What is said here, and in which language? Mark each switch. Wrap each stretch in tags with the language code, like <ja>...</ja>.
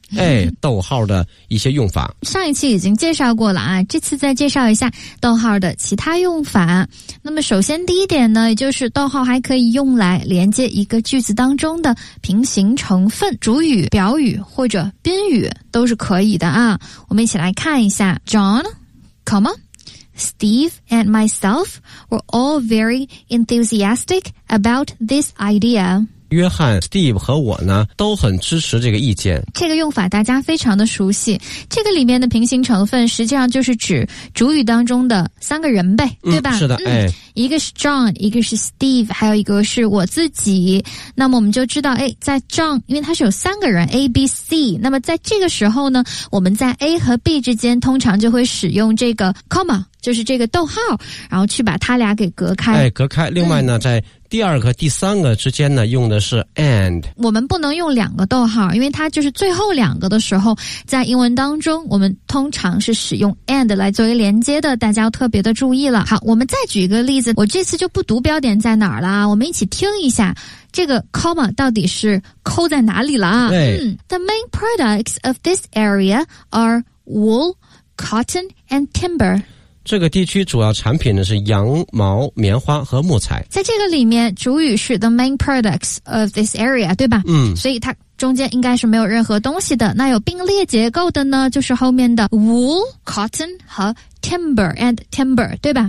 <zh>哎，逗号的一些用法。上一期已经介绍过了啊，这次再介绍一下逗号的其他用法。那么首先第一点呢，也就是逗号还可以用来连接一个句子当中的平行成分，主语、表语或者宾语都是可以的啊。我们一起来看一下</zh> <en>John, comma, Steve and myself were all very enthusiastic about this idea。</en> <zh>约翰 Steve 和我呢都很支持这个意见，这个用法大家非常的熟悉，这个里面的平行成分实际上就是指主语当中的三个人呗，对吧？是的，哎，一个是 John， 一个是 Steve， 还有一个是我自己。那么我们就知道，哎，在 John 因为他是有三个人 ABC， 那么在这个时候呢我们在 A 和 B 之间通常就会使用这个 comma， 就是这个逗号，然后去把他俩给隔开，哎，隔开。另外呢在第二个第三个之间呢用的是 and，我们不能用两个逗号，因为它就是最后两个的时候，在英文当中我们通常是使用 and 来作为连接的，大家要特别的注意了。好，我们再举一个例子，我这次就不读标点在哪儿了，我们一起听一下这个 comma 到底是扣在哪里了啊。对，</zh> <en>The main products of this area are wool, cotton and timber。</en> <zh>这个地区主要产品呢是羊毛、棉花和木材。在这个里面主语是</zh> <en>the main products of this area，</en> <zh>对吧？嗯，所以它中间应该是没有任何东西的。那有并列结构的呢就是后面的 wool, cotton 和 timber， and timber， 对吧？</zh>